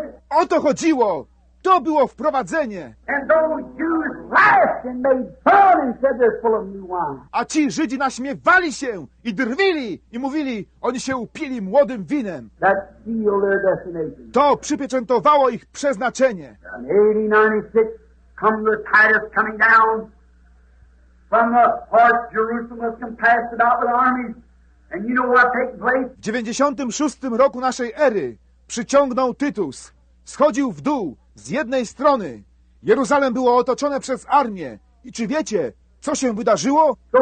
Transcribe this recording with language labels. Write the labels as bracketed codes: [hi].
[pl] Oto chodziło. To było wprowadzenie. [en] And those Jews laughed and made fun and said they're full of new wine. [pl] A ci Żydzi naśmiewali się i drwili i mówili, oni się upili młodym winem. [en] That sealed their destination. [pl] To przypieczętowało ich przeznaczenie. [en] In 1896 comes the Titus coming down from the heart of Jerusalem was compassed about with armies. And you know what takes place? [pl] W 96 roku naszej ery przyciągnął Tytus. Schodził w dół z jednej strony. Jeruzalem było otoczone przez armię. I czy wiecie, co się wydarzyło?